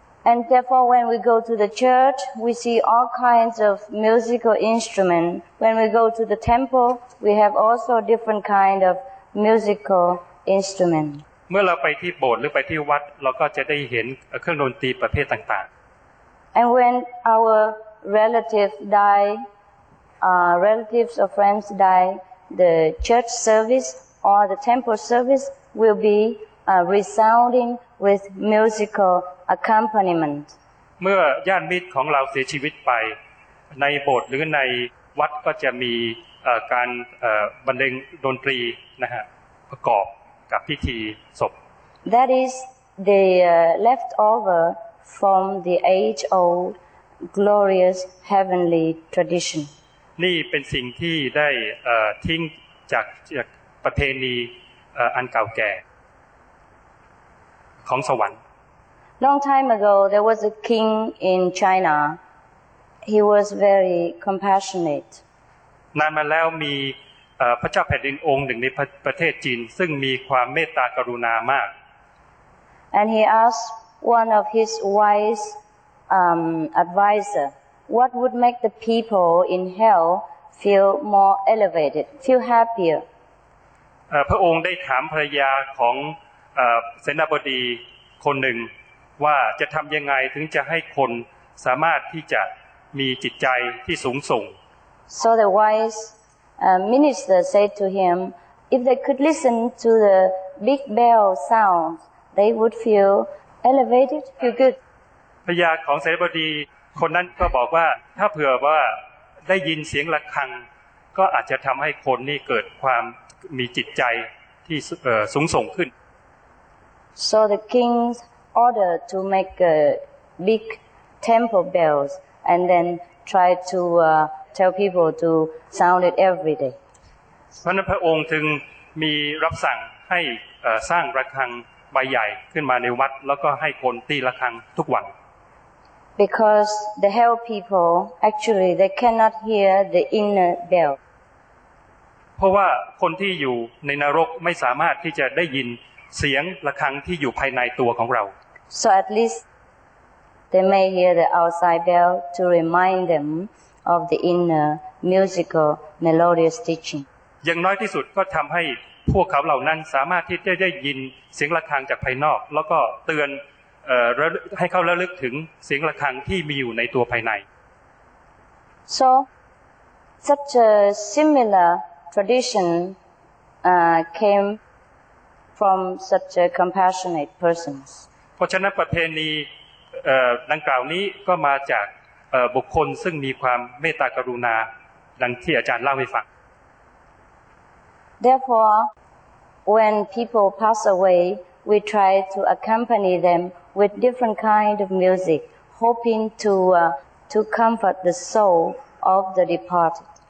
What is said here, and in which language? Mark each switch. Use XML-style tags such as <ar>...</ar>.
<en>And therefore when we go to the church we see all kinds of musical instrument when we go to the temple we have also different kind of musical instrument</en> <th>เมื่อเราไปที่โบสถ์หรือไปที่วัดเราก็จะได้เห็นเครื่องดนตรีประเภทต่าง</th> <en>ๆ And when our relative die relatives or friends die the church service or the temple service will be resounding with musical accompaniment</en> <th>เมื่อญาติมิตรของเราเสียชีวิตไปในโบสถ์หรือในวัดก็จะมีการบรรเลงดนตรีนะฮะประกอบกับพิธีศพ</th> <en>That is the leftover from the age old glorious heavenly tradition</en> <th>นี่เป็นสิ่งที่ได้ทิ้งจากประเพณีอันเก่าแก่ของสวรรค์</th> <en>Long time ago there was a king in China he was very compassionate</en> <th>นานมาแล้วมีพระเจ้าแผ่นดินองค์หนึ่งในประเทศจีนซึ่งมีความเมตตากรุณามาก</th> <en>And he asked one of his wise advisor what would make the people in hell feel more elevated feel happier</en> <th>พระองค์ได้ถามภรรยาของเซนาบดีคนหนึ่งว่าจะทำยังไงถึงจะให้คนสามารถที่จะมีจิตใจที่สูงส่ง</th> <en>So the wise minister said to him if they could listen to the big bell sound they would feel elevated feel good</en> <th>ภรรยาของเซนาบดีคนนั้นก็บอกว่าถ้าเผื่อว่าได้ยินเสียงระฆังก็อาจจะทำให้คนนี่เกิดความมีจิตใจที่สูงส่งขึ้น</th> <en>So the king ordered to make a big temple bells and then try to tell people to sound it every day.</en> <th>พระนพระองค์ถึงมีรับสั่งให้สร้างระฆังใบใหญ่ขึ้นมาในวัดแล้วก็ให้คนตีระฆังทุกวัน</th> <en>Because the hell people actually they cannot hear the inner bell.</en> <th>เพราะว่าคนที่อยู่ในนรกไม่สามารถที่จะได้ยินเสียงระฆังที่อยู่ภายในตัวของเรา</th> <en>So at least they may hear the outside bell to remind them of the inner musical melodious teaching</en> <th>อย่างน้อยที่สุดก็ทำให้พวกเขาเหล่านั้นสามารถที่จะได้ยินเสียงระฆังจากภายนอกแล้วก็เตือนให้เขาระลึกถึงเสียงระฆังที่มีอยู่ในตัวภายใน</th> <en>So such a similar tradition camefrom such a compassionate persons</en> <th>เพราะฉะนั้นประเพณีดังกล่าวนี้ก็มาจากบุคคลซึ่งมีความเมตตากรุณาดังที่อาจารย์เล่าให้ฟัง</th> <en>Therefore when people pass away we try to accompany them with different kind of music hoping to comfort the soul of the departed</en>